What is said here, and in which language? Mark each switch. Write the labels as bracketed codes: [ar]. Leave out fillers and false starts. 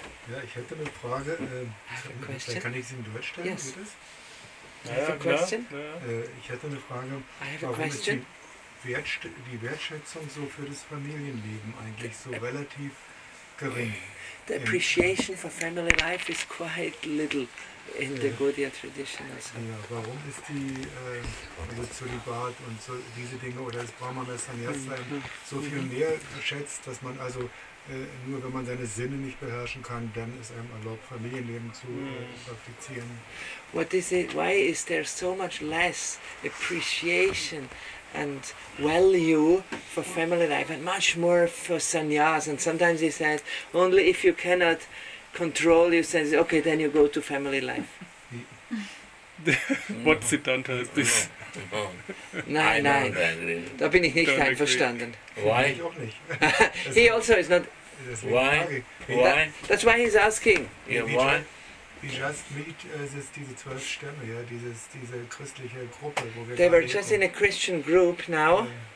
[de] Ja, ich hätte eine Frage, vielleicht kann ich sie in Deutsch stellen, yes. Geht das? Ich hätte eine Frage, warum ist die Wertschätzung so für das Familienleben eigentlich so relativ gering? [en] The appreciation for family life is quite little in the Gaudiya tradition. [de] Ja, warum ist die Zölibat und so, diese Dinge oder das Brahmana Sannyasa so viel mehr geschätzt, dass man also... nur wenn man seine Sinne nicht beherrschen kann, dann ist einem erlaubt, Familienleben zu praktizieren. [en] What is it? Why is there so much less appreciation and value for family life and much more for sannyas? And sometimes he says, only if you cannot control your senses, okay, then you go to family life. What Siddhanta is this? [de] Nein. Da bin ich nicht einverstanden. [en] Why? [de] Ich auch nicht. [en] He also is not. Why? Why? That's why he's asking. Yeah, why? We just meet [de] diese 12 Stämme, ja, diese christliche Gruppe, wo wir. [en] They were just in a Christian group now.